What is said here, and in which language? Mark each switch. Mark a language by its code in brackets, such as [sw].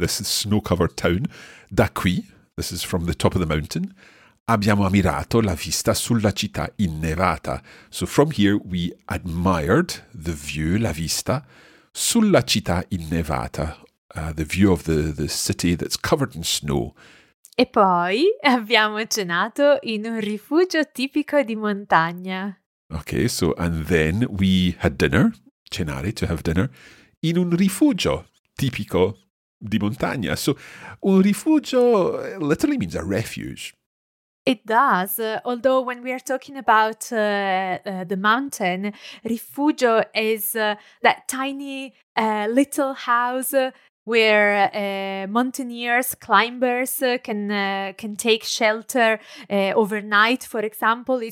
[en] This is snow-covered town. [it] Da qui, [en] this is from the top of the mountain, [it] abbiamo ammirato la vista sulla città innevata. [en] So from here, we admired the view, [it] la vista, sulla città innevata, [en] the view of the city that's covered in snow. [it] E poi abbiamo cenato in un rifugio tipico di montagna. [en] Okay, so and then we had dinner. Cenare, to have dinner, [it] in un rifugio tipico di montagna. [en] So, un rifugio literally means a refuge. It does. Although when we are talking about the mountain, rifugio is that tiny little house where mountaineers, climbers can take shelter overnight, for example.